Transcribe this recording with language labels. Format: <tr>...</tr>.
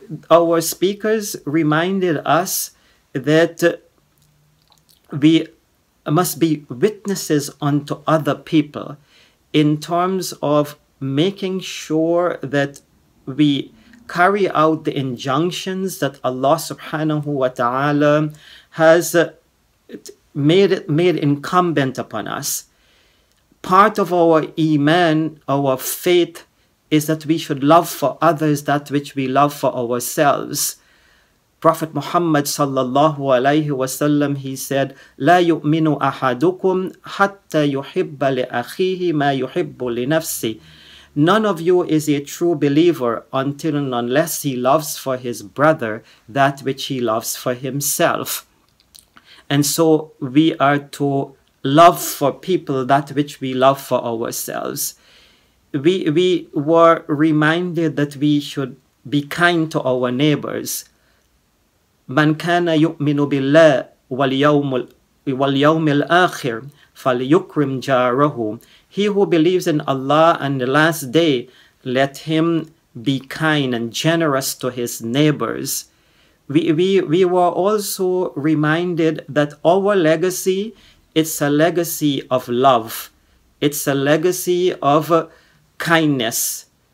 <en>Our speakers reminded us that we must be witnesses unto other people in terms of making sure that we carry out the injunctions that Allah subhanahu wa ta'ala has made incumbent upon us. Part of our iman, our faith, is that we should love for others that which we love for ourselves. Prophet Muhammad sallallahu alayhi wa sallam, he said,</en> <ar>لا يؤمن أحدكم حتى يحب لأخيه ما يحب لنفسه.</ar> <en>None of you is a true believer until and unless he loves for his brother that which he loves for himself. And so we are to love for people that which we love for ourselves. We were reminded that we should be kind to our neighbors.</en> <ar>من كان يؤمن بالله واليوم الآخر فليكرم جاره.</ar> <en>He who believes in Allah and the last day, let him be kind and generous to his neighbors. We were also reminded that our legacy, it's a legacy of love. It's a legacy of kindness.</en>